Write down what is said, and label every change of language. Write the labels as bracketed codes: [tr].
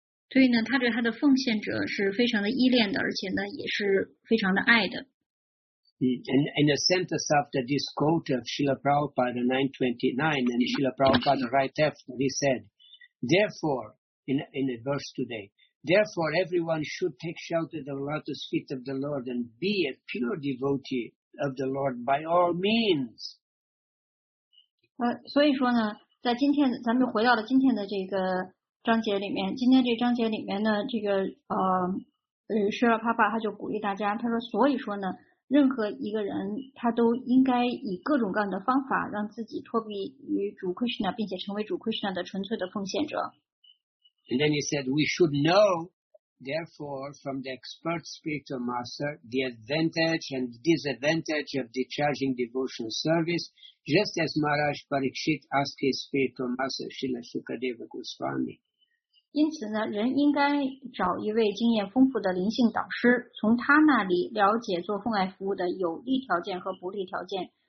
[zh] 所以呢，他对他的奉献者是非常的依恋的，而且呢，也是非常的爱的。 [en] In the sentence after this quote of Srila Prabhupada 929, and Srila Prabhupada right after, he said, therefore, in a verse today, therefore everyone should take shelter of the lotus feet of the Lord and be a pure devotee of the Lord by all means. [zh] 所以说呢，在今天，咱们回到了今天的这个章节里面，今天这章节里面呢，这个Srila Prabhupada 他就鼓励大家，他说，所以说呢，任何一个人他都应该以各种各样的方法让自己脱离于主 Krishna 并且成为主 Krishna 的纯粹的奉献者。 [en] And then he said, we should know, therefore, from the expert spiritual master, the advantage and disadvantage of discharging devotional service, just as Maharaj Parikshit asked his spiritual master, Srila Sukadeva Goswami. [zh] 因此呢，人应该找一位经验丰富的灵性导师，从他那里了解做奉爱服务的有利条件和不利条件。